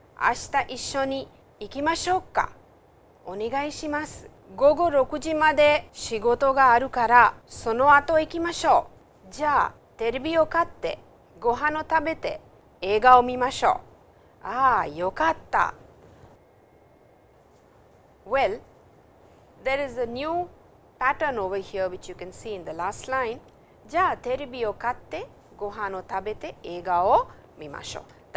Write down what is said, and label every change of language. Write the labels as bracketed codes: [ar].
[ja] 明日一緒に行きましょうか。お願いします。午後6時まで仕事があるから、その後行きましょう。じゃあ、テレビを買って、ご飯を食べて、映画を見ましょう。ああ、よかった。 [en] Well, there is a new pattern over here which you can see in the last line. [ja] じゃあテレビを買ってご飯を食べて映画を見ましょう。